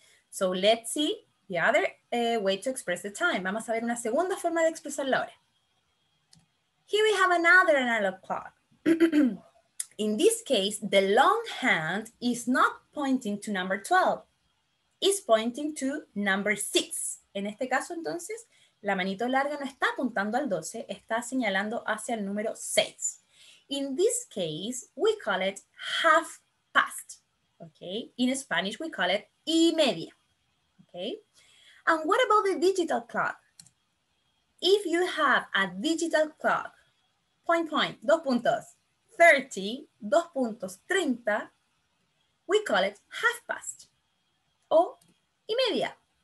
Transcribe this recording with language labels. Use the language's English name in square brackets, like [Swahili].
[English] So let's see the other way to express the time. [Spanish] Vamos a ver una segunda forma de expresar la hora. [English] Here we have another analog clock. In this case, the long hand is not pointing to number 12. It's pointing to number 6. [Spanish] En este caso, entonces, la manito larga no está apuntando al 12, está señalando hacia el número 6. [English] In this case, we call it half past. Okay? In Spanish, we call it y media. Okay? And what about the digital clock? If you have a digital clock, point, point, 2:30, 2:30, we call it half past, or y media.